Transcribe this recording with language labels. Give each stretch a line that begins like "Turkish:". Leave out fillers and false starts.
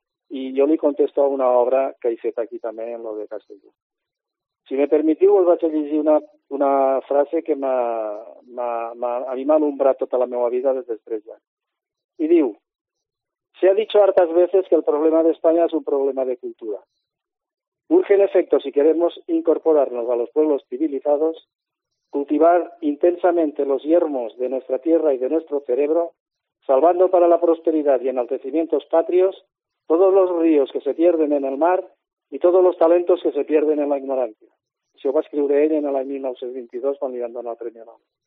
Catalan: I jo li contesto a una obra que he fet aquí també, en lo de Castelló. Si me permetiu, us vaig llegir una frase que a mi m'ha alumbrat tota la meva vida des dels 3 anys. I diu:
Spanish: se ha dicho hartas veces que el problema de España es un problema de cultura. Urge, en efecto, si queremos incorporarnos a los pueblos civilizados, cultivar intensamente los yermos de nuestra tierra y de nuestro cerebro, salvando para la prosperidad y enaltecimientos patrios todos los ríos que se pierden en el mar y todos los talentos que se pierden en la ignorancia.
Catalan: Això ho va escriure ell en l'any 1922 quan li van donar el Premi Nobel.